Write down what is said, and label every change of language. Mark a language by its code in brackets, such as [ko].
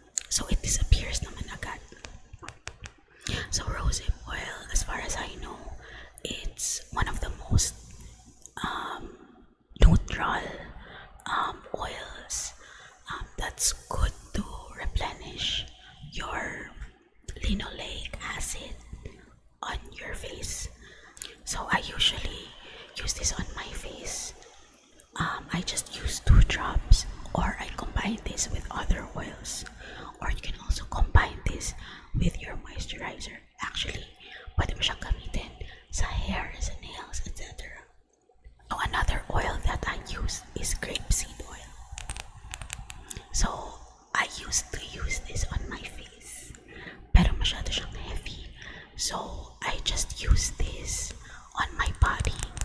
[en] So it disappears [tl] naman agad. [en] So rose oil, as far as I know, it's one of the most neutral oils that's good to replenish your linoleic acid on your face. So I usually use this on my face. I just use two drops, or I combine this with other oils, or you can also combine this with your moisturizer. [tl] Actually, pwede mo siyang gamitin sa hair, sa nails, etc. [en] Oh, another oil that I use is grapeseed oil. So, I used to use this on my face, [tl] pero masyado siyang [en] heavy. So, I just use this on my body.